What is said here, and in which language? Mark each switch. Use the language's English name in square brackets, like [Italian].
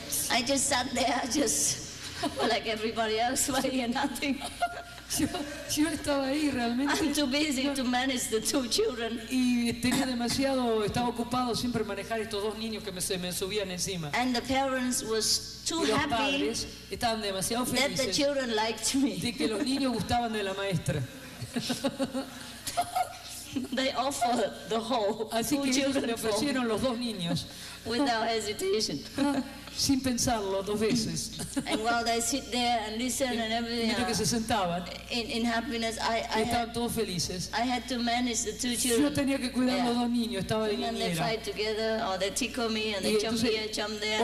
[English] I just sat there, just like everybody else, worrying nothing. [Spanish] Yo estaba ahí realmente. [English] I'm too busy to manage the two children. [Spanish] Y tenía demasiado, estaba ocupado siempre manejar estos dos niños que me subían encima. [English] And the parents was too happy. [Spanish] Estaban demasiado felices. [English] That the children liked me. [Spanish] De que los niños gustaban de la maestra. [English] They offered the whole. [Spanish] Así que ellos le ofrecieron los dos niños. [English] Without hesitation. [Spanish] Sin pensarlo dos veces. [English] And while they sit there and listen and everything. [Spanish] Mira que se sentaban. [English] In happiness, I [Spanish] estaban todos felices. [English] I had to manage the two children. [Spanish] Yo tenía que cuidar los dos niños. Estaba de niñera. [English] And they fight together, or they tickle me, and they jump here, jump there.